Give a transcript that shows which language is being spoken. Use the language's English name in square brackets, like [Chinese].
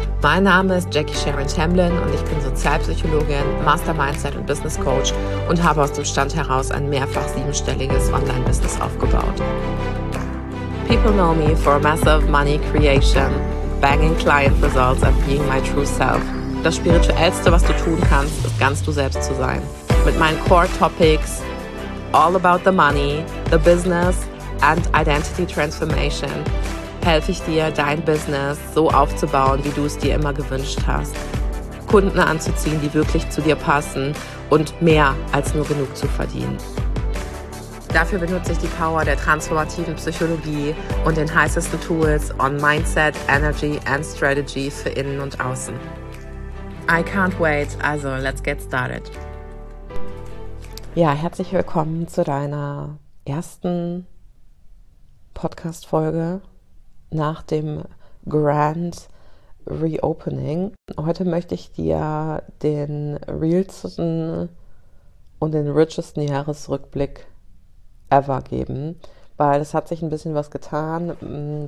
[German] Mein Name ist Jackie Sharon Tamblyn und ich bin Sozialpsychologin, Master Mindset und Business Coach und habe aus dem Stand heraus ein mehrfach siebenstelliges Online-Business aufgebaut. [English] People know me for massive money creation, banging client results and being my true self. [German] Das Spirituellste, was du tun kannst, ist ganz du selbst zu sein. Mit meinen Core Topics, [English] all about the money, the business and identity transformation, [German] helfe ich dir, dein Business so aufzubauen, wie du es dir immer gewünscht hast. Kunden anzuziehen, die wirklich zu dir passen und mehr als nur genug zu verdienen. Dafür benutze ich die Power der transformativen Psychologie und den heißesten Tools [English] on Mindset, Energy and Strategy [German] für innen und außen. [English] I can't wait, also let's get started. [German] Ja, herzlich willkommen zu deiner ersten Podcast-Folge nach dem Grand Reopening. Heute möchte ich dir den realsten und den richesten Jahresrückblick ever geben, weil es hat sich ein bisschen was getan.